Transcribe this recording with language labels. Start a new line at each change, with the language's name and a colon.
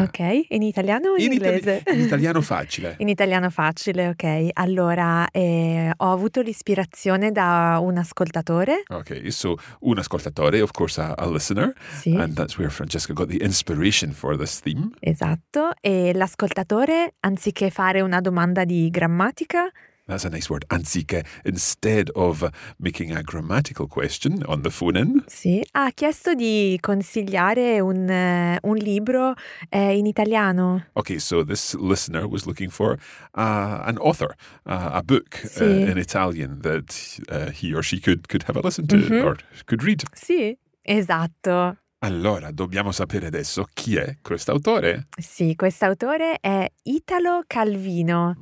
Italian: Ok, in italiano o in inglese? In italiano facile. In italiano facile, ok. Allora, ho avuto l'ispirazione da un ascoltatore.
English: Ok, so
Italian: un ascoltatore,
English: of course, a listener.
Italian: Sì.
English: And that's where Francesca got the inspiration for this theme.
Italian: Esatto. E l'ascoltatore, anziché fare una domanda di grammatica.
English: That's a nice word. Anziché, instead of making a grammatical question on the phone in.
Italian: Sì, ha chiesto di consigliare un libro in italiano.
English: Okay, so this listener was looking for an author, a book,
Italian: sì.
English: In Italian that he or she could have a listen to, mm-hmm. or could read.
Italian: Sì, esatto. Allora, dobbiamo sapere adesso chi è quest'autore. Sì, quest'autore è Italo Calvino.